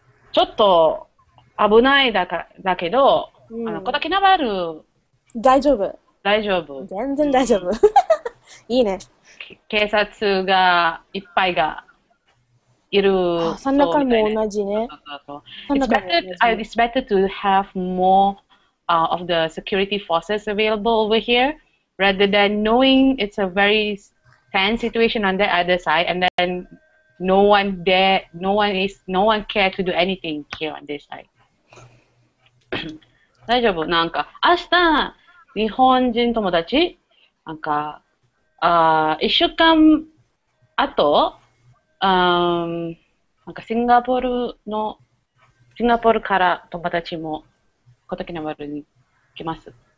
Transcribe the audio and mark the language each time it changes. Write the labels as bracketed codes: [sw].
[ja] ちょっと危ないだけど、あの、小竹ナバル、うん、大丈夫。大丈夫。全然大丈夫。いいね。警察がいっぱいがいる。あ、三中も同じね。 [en] It's better to have more of the security forces available over here rather than knowing it's a very tense situation on the other side and then no one care to do anything here on this side. [ja] 大丈夫。なんか明日日本人友達なんか一週間あと、なんかシンガポールから友達も小竹の丸に来ます。